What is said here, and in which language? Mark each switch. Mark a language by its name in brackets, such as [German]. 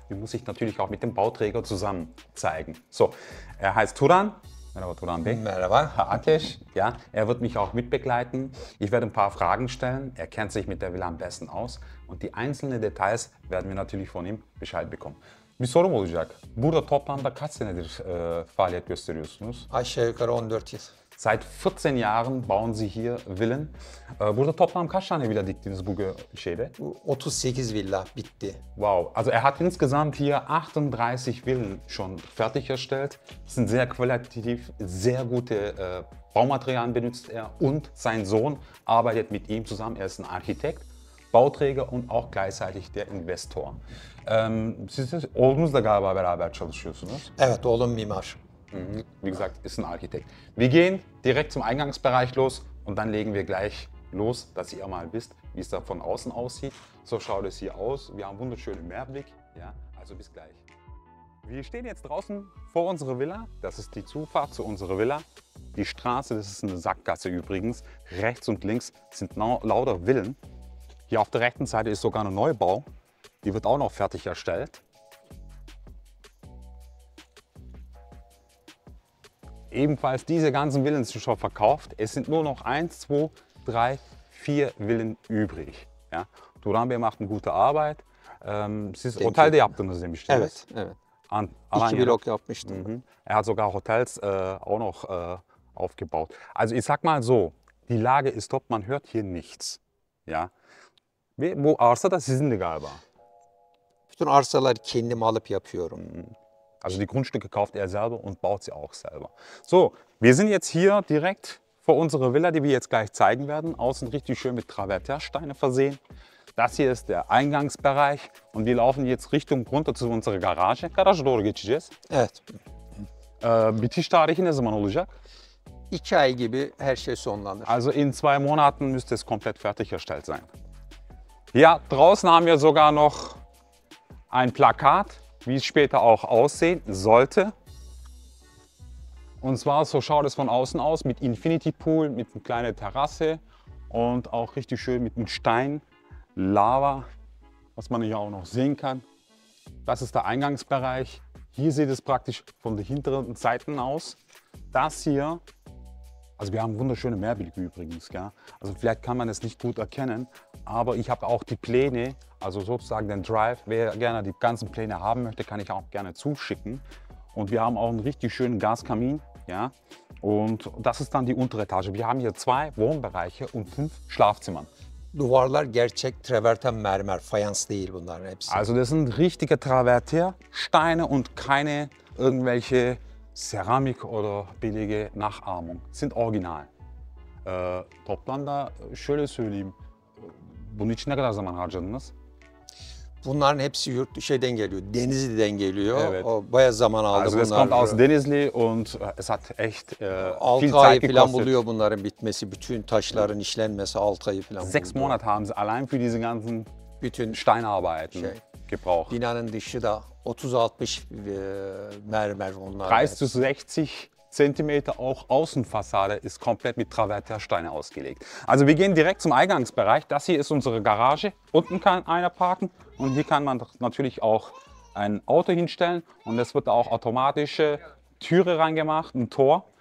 [German] Die muss ich natürlich auch mit dem Bauträger zusammen zeigen. So, er heißt Turan. [Turkish] Merhaba Turan Bey. Merhaba. Hatesh. [German] Ja, er wird mich auch mitbegleiten. Ich werde ein paar Fragen stellen. Er kennt sich mit der Villa am besten aus. Und die einzelnen Details werden wir natürlich von ihm Bescheid bekommen. [Turkish] Bir sorum olacak. Burada toplamda kaç senedir faaliyet gösteriyorsunuz? Aşağı yukarı 14 yıl. [German] Seit 14 Jahren bauen Sie hier Villen. [Turkish] Burada toplam kaç tane villa diktiniz bu şeyde? 38 villa bitti. [German] Wow, also er hat insgesamt hier 38 Villen schon fertig erstellt. Das sind sehr qualitativ, sehr gute Baumaterialien benutzt er. Und sein Sohn arbeitet mit ihm zusammen. Er ist ein Architekt, Bauträger und auch gleichzeitig der Investor. [Turkish] Siz oğlunuzla galiba beraber çalışıyorsunuz. Evet, oğlum mimar. [German] Wie gesagt, ist ein Architekt. Wir gehen direkt zum Eingangsbereich los und dann legen wir gleich los, dass ihr mal wisst, wie es da von außen aussieht. So schaut es hier aus. Wir haben einen wunderschönen Meerblick. Ja, also bis gleich. Wir stehen jetzt draußen vor unserer Villa. Das ist die Zufahrt zu unserer Villa. Die Straße, das ist eine Sackgasse übrigens. Rechts und links sind lauter Villen. Hier auf der rechten Seite ist sogar ein Neubau. Die wird auch noch fertig erstellt. Ebenfalls diese ganzen Villen sind schon verkauft. Es sind nur noch 1, 2, 3, 4 Villen übrig. Ja. Turan Bey macht eine gute Arbeit. [Turkish] Siz otelde yaptınız demiştiniz. Evet, evet. Alanya. İki blok yapmıştım. Mhm. [German] Er hat sogar Hotels auch noch aufgebaut. Also ich sag mal so, die Lage ist top, man hört hier nichts. [Turkish] Ja. Bu arsa da sizindi galiba. Bütün arsaları kendim alıp yapıyorum. [German] Also die Grundstücke kauft er selber und baut sie auch selber. So, wir sind jetzt hier direkt vor unserer Villa, die wir jetzt gleich zeigen werden. Außen richtig schön mit Travertersteine versehen. Das hier ist der Eingangsbereich und wir laufen jetzt Richtung runter zu unserer Garage. [Turkish] Garage doğru geçeceğiz. Evet. Bitiş tarihi ne zaman olacak? İki ay gibi her şey sonlanır. [German] Also in zwei Monaten müsste es komplett fertig erstellt sein. Ja, draußen haben wir sogar noch ein Plakat, wie es später auch aussehen sollte. Und zwar, so schaut es von außen aus, mit Infinity Pool, mit einer kleinen Terrasse und auch richtig schön mit einem Stein, Lava, was man hier auch noch sehen kann. Das ist der Eingangsbereich. Hier sieht es praktisch von den hinteren Seiten aus. Das hier, also wir haben wunderschöne Meerblicke übrigens, gell? Also vielleicht kann man es nicht gut erkennen, aber ich habe auch die Pläne, also sozusagen den Drive. Wer gerne die ganzen Pläne haben möchte, kann ich auch gerne zuschicken. Und wir haben auch einen richtig schönen Gaskamin, ja. Und das ist dann die untere Etage. Wir haben hier zwei Wohnbereiche und fünf Schlafzimmer. [Turkish] Duvarlar gerçek traverten mermer, fayans değil bunlar hepsi. [German] Also das sind richtige Travertersteine und keine irgendwelche Keramik oder billige Nachahmung. Sind original. [Turkish] Toplam da şöyle söyleyeyim. Bunun için ne kadar zaman harcadınız? Bunların hepsi yurt şeyden geliyor, Denizli'den geliyor. Evet. O bayağı zaman aldı [German] bunlar. Also es kommt aus Denizli und es hat echt viel Zeit gekostet. [Turkish] 6 ay falan buluyor bunların bitmesi, bütün taşların işlenmesi 6 ay falan. [German] 6 Monate haben sie allein für diese ganzen [Turkish] bütün [German] Steinarbeiten gebraucht. Binanın dışı da 30-60 mermer onlar. 30-60 Zentimeter auch Außenfassade ist komplett mit Travertersteine ausgelegt. Also wir gehen direkt zum Eingangsbereich. Das hier ist unsere Garage. Unten kann einer parken und hier kann man natürlich auch ein Auto hinstellen. Und es wird auch automatische Türe reingemacht, ein Tor.